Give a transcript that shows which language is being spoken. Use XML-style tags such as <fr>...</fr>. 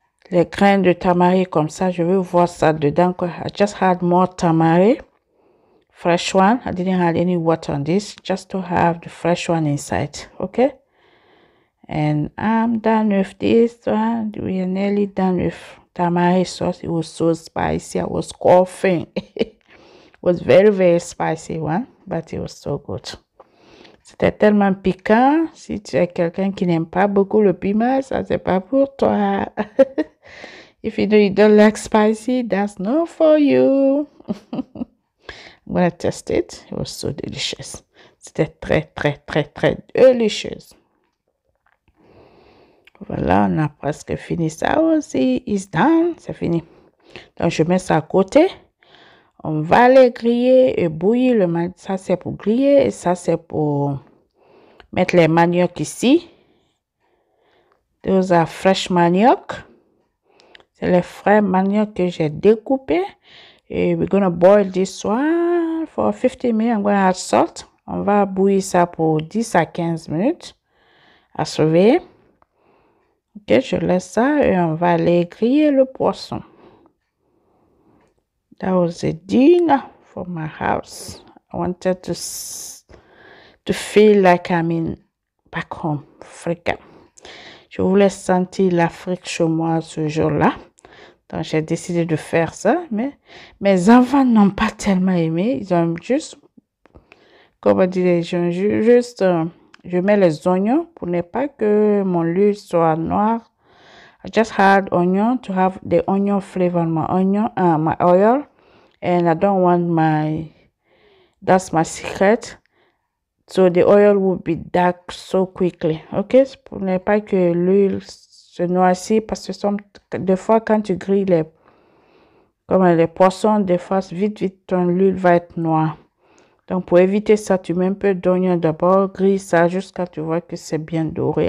<fr>Les graines de tamari comme ça, je veux voir ça dedans quoi.</fr> <en>I just had more tamari, fresh one. I didn't have any water on this, just to have the fresh one inside. Okay? And I'm done with this one. We are nearly done with tamari sauce. It was so spicy. I was coughing. It was very, very spicy one, but it was so good.</en> <fr>C'était tellement piquant. Si tu es quelqu'un qui n'aime pas beaucoup le piment, ça c'est pas pour toi.</fr> <en>If you don't like spicy, that's not for you. I'm gonna test it. It was so delicious.</en> <fr>C'était très, très, très, très delicious. Voilà, on a presque fini ça aussi.</fr> <en>It's done.</en> <fr>C'est fini. Donc, je mets ça à côté. On va les griller et bouillir le manioc. Ça, c'est pour griller. Et ça, c'est pour mettre les manioc ici.</fr> <en>Those are fresh manioc.</en> <fr>C'est les frais manioc que j'ai découpé.</fr> <en>Et we're going to boil this one for 15 minutes. I'm going to add salt.</en> <fr>On va bouillir ça pour 10 à 15 minutes. À surveiller. Ok, je laisse ça et on va aller griller le poisson.</fr> <en>That was a dinner for my house. I wanted to feel like I'm in back home, Africa.</en> <fr>Je voulais sentir l'Afrique chez moi ce jour-là. Donc, j'ai décidé de faire ça. Mais mes enfants n'ont pas tellement aimé. Ils ont juste, comment dire, je mets les oignons pour ne pas que mon lait soit noir.</fr> <en>I just had onion to have the onion flavor on my oil. And I don't want that's my secret. So the oil will be dark so quickly.</en> <fr>Ok, pour ne pas que l'huile se noircisse, parce que des fois quand tu grilles les poissons, des fois vite, vite, ton huile va être noire. Donc pour éviter ça, tu mets un peu d'oignon d'abord, grille ça jusqu'à ce que tu vois que c'est bien doré.</fr>